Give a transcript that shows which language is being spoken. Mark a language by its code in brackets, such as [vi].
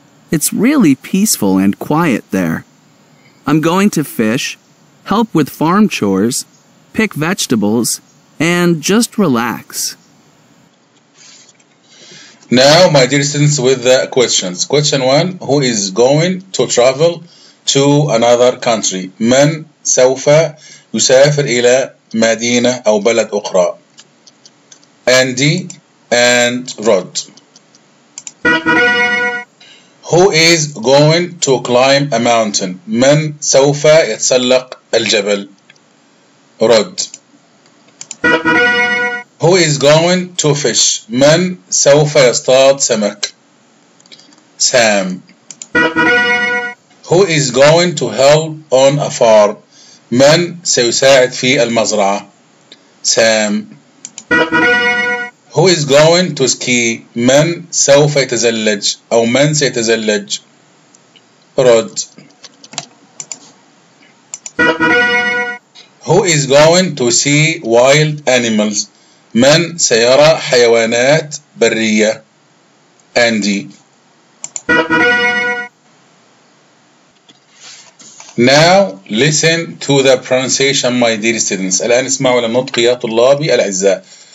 [en] It's really peaceful and quiet there. I'm going to fish, help with farm chores, pick vegetables, and just relax. Now, my dear students, with the questions. Question one, who is going to travel to another country? [ar] من سوف يسافر إلى مدينة أو بلد أخرى؟ Andy and Rod. [en] Who is going to climb a mountain? [ar] من سوف يتسلق الجبل؟ [en] Rod. Who is going to fish? [ar] من سوف يصطاد سمك؟ [en] Sam. Who is going to help on a farm? [ar] من سيساعد في المزرعة؟ Sam. [en] Who is going to ski? [ar] من سوف يتزلج أو من سيتزلج؟ Rod. [en] Who is going to see wild animals? [ar] من سيرى حيوانات برية؟ Andy. [en] Now listen to the pronunciation, my dear students. [ar] الآن اسمعوا للنطق يا طلابي الأعزاء.